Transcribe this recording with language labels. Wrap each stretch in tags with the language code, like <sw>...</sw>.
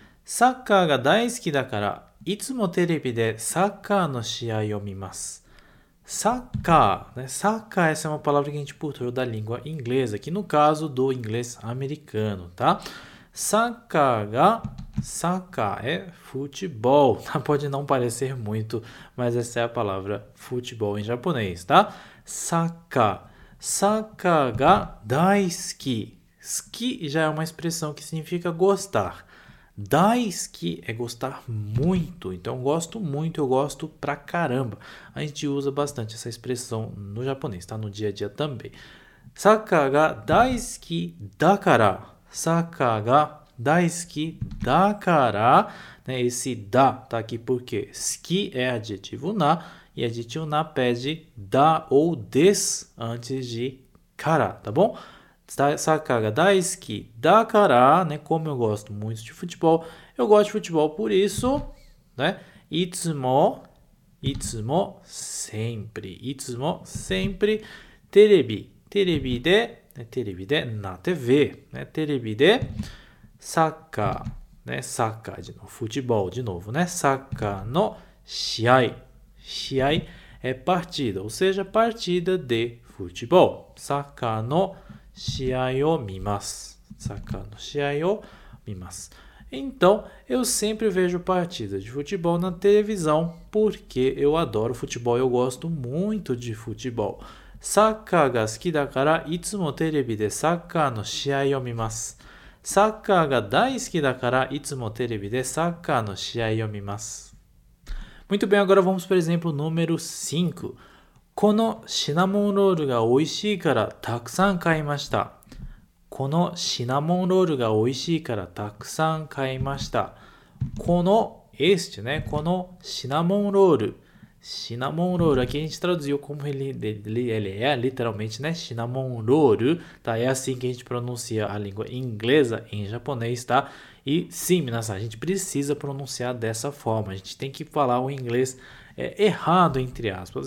<ja>サッカーが大好きだから、いつもテレビでサッカーの試合を見ます。サッカー、ね、サッカー、</ja> <pt>essa é uma palavra que a gente puxou da língua inglesa, que no caso do inglês americano, tá?</pt> <ja>サッカーが、サッカー</ja> <pt>é futebol. Pode não parecer muito, mas essa é a palavra futebol em japonês, tá?</pt> <ja>サッカー、サッカーが大好き。</ja> <pt>好き já é uma expressão que significa gostar. 大好き é gostar muito. Então, gosto muito, eu gosto pra caramba. A gente usa bastante essa expressão no japonês, tá? No dia a dia também.</pt> <ja>サッカーが大好きだから。サッカーが大好きだから、né?</ja> <pt>Esse da tá aqui porque 好き é adjetivo na e adjetivo na pede da ou des antes de から, tá bom?</pt> <ja>サッカーが大好きだから、né?</ja> <pt>Como eu gosto muito de futebol, eu gosto de futebol por isso, né?</pt> <ja>いつも, いつも,</ja> <pt>sempre,</pt> <ja>いつも, sempre, テレビ, テレビで, né? テレビで,</ja> <pt>na TV, né?</pt> <ja>テレビで, サッカー、ね、サッカーでの、フチボーでの、ね、サッカーの試合、試合</ja> <pt>é partida, ou seja, partida de futebol,</pt> <ja>サッカーの試合を見ます。サッカーの試合を見ます。</ja> <pt>Então, eu sempre vejo partida de futebol na televisão, porque eu adoro futebol, eu gosto muito de futebol.</pt> <ja>サッカーが好きだから、いつもテレビでサッカーの試合を見ます。サッカーが大好きだから、いつもテレビでサッカーの試合を見ます。</ja> <pt>Muito bem, agora vamos para o exemplo número 5.</pt> <ja>このシナモンロールが美味しいからたくさん買いました。このシナモンロールが美味しいからたくさん買いました。この、</ja> <pt>este,</pt> <ja>né? このシナモンロール。</ja> <pt>シナモンロール。Aqui a gente traduziu como ele é, literalmente, né?</pt> <ja>シナモンロール。Tá?</ja> <pt>É assim que a gente pronuncia a língua inglesa em japonês, tá? E sim, minasan, a gente precisa pronunciar dessa forma. A gente tem que falar o inglês errado, entre aspas.</pt>